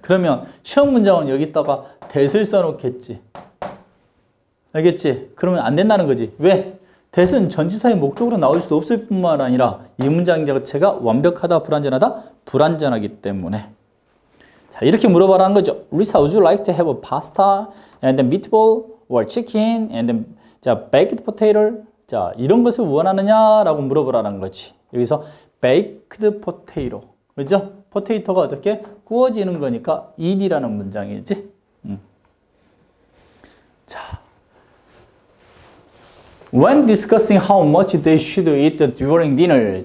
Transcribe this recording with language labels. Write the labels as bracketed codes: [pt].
[ko] 그러면 시험 문장은 여기다가 that을 써놓겠지. 알겠지? 그러면 안 된다는 거지. 왜? that은 전치사의 목적으로 나올 수도 없을 뿐만 아니라 이 문장 자체가 완벽하다, 불완전하다? 불완전하기 때문에. 자, 이렇게 물어보라는 거죠. [en] Lisa, would you like to have a pasta and then meatball or chicken and then 자, baked potato? [ko] 자, 이런 것을 원하느냐라고 물어보라는 거지. 여기서 baked potato. 그죠? 포테이토가 어떻게 구워지는 거니까 in이라는 문장이지. 자. [en] When discussing how much they should eat during dinner.